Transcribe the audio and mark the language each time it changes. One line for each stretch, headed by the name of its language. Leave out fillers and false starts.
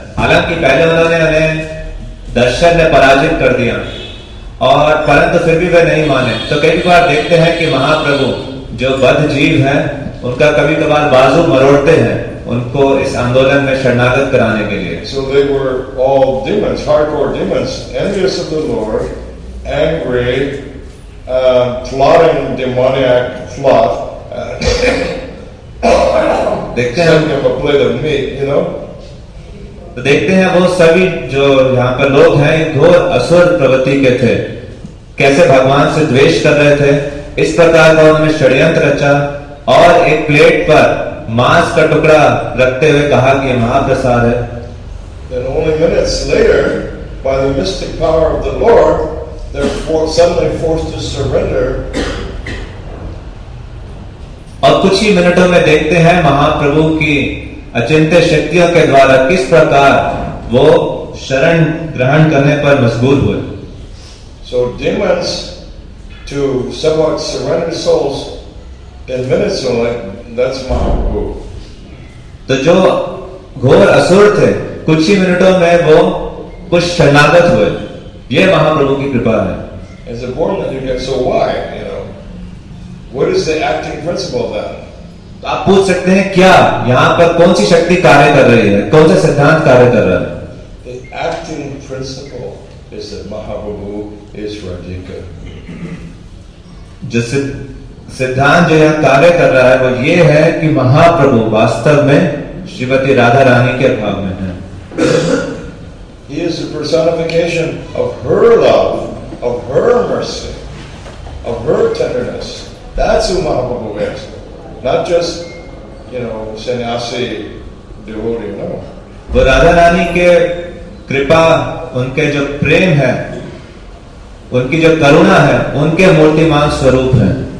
Hindi: हालांकि पहले उन्होंने हमें दर्शन में पराजित कर दिया और परंतु फिर भी वे नहीं माने. तो कई बार देखते हैं कि महाप्रभु जो बद्ध जीव है उनका कभी कभार बाजू मरोड़ते हैं उनको इस आंदोलन में शरणागत कराने के लिए.
English: So they were all demons, hardcore demons, envious of the Lord, angry, plotting demoniac plot.
Hindi: देखते हैं कि वो
English: Plate of meat, you know.
Hindi: तो देखते हैं वो सभी जो यहाँ पर लोग हैं घोर असुर प्रवृत्ति के थे कैसे भगवान से द्वेष कर रहे थे. इस प्रकार का उन्होंने षड्यंत्र रचा और एक प्लेट पर मांस का टुकड़ा रखते हुए कहा कि महाप्रसाद है.
English: Then only minutes later, by the mystic power of the Lord, they're suddenly forced to surrender.
Hindi: और कुछ ही मिनटों में देखते हैं महाप्रभु की अचिंत्य शक्तियों के द्वारा किस प्रकार वो शरण ग्रहण करने पर मजबूर हुए.
English: So demons to somewhat surrender souls in minutes only, that's Mahaprabhu.
Hindi: तो जो घोर असुर थे कुछ ही मिनटों में वो कुछ शरणागत हुए, ये महाप्रभु की कृपा है.
English: It's important that you get, so why, you know, what is the acting principle then?
Hindi: आप पूछ सकते हैं क्या यहां पर कौन सी शक्ति कार्य कर रही है, कौन सा सिद्धांत कार्य कर रहा है.
English: The acting principle is that Mahaprabhu is Radhika.
Hindi: जो सिद्धांत जो यहां कार्य कर रहा है वो ये है कि महाप्रभु वास्तव में श्रीमती राधा रानी के भाव में है.
English: He is the personification of her love, of her mercy, of her tenderness. That's who Mahaprabhu is. Not just, you know, sannyasi devotee, no.
Hindi: वो राधा रानी के कृपा, उनके जो प्रेम है, उनकी जो करुणा है, उनके मूर्तिमान स्वरूप है.